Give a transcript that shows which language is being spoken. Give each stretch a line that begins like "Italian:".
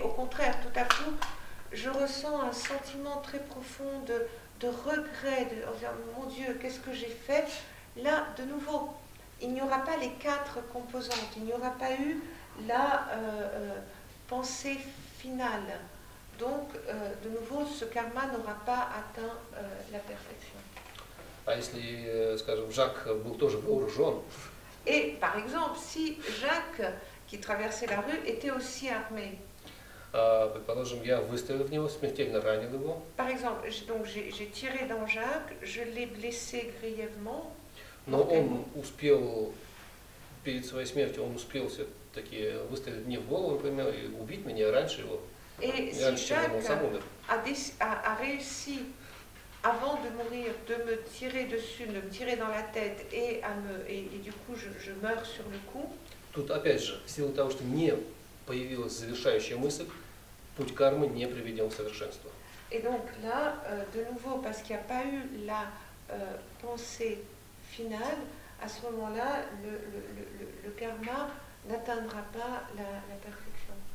French: Au contraire, tout à coup, je ressens un sentiment très profond de regret, de dire, mon Dieu, qu'est-ce que j'ai fait. Là, de nouveau, il n'y aura pas les quatre composantes, il n'y aura pas eu la pensée finale. Donc, de nouveau, ce karma n'aura pas atteint la perfection.
Russian: А если, скажем, Жак был тоже вооружен?
French: Et par exemple, si Jacques qui traversait la rue était aussi armé?
Russian: Предположим, я выстрелил в него, смертельно ранил его.
French: Par exemple, donc j'ai tiré dans Jacques, je l'ai blessé grièvement.
Russian: Но он успел перед своей смертью, он успел все-таки выстрелить мне в голову, например, и убить меня раньше его.
French: Et
Russian: раньше,
French: si Jacques a réussi avant de mourir, de me tirer dessus, de me tirer dans la tête et à me et du coup je meurs sur le coup.
Russian: Тут опять же, в силу того, что не появилась завершающая мысль, путь кармы не приведен к совершенству.
French: Et donc là, de nouveau, parce qu'il n'y a pas eu la pensée finale, à ce moment-là, le karma n'atteindra pas la perfection.